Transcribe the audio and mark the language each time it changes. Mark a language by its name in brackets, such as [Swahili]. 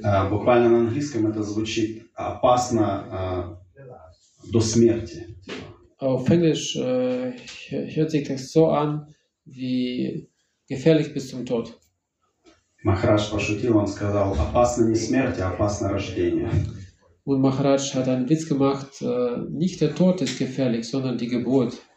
[Russian] Буквально на английском это звучит опасно до смерти. [German] Auf Englisch hört sich das so an, wie gefährlich bis zum Tod. [Russian] Махарадж пошутил, он сказал, опасно не смерть, а опасно рождение. [German] Und Махарадж hat einen Witz gemacht, nicht der Tod ist gefährlich, sondern die Geburt.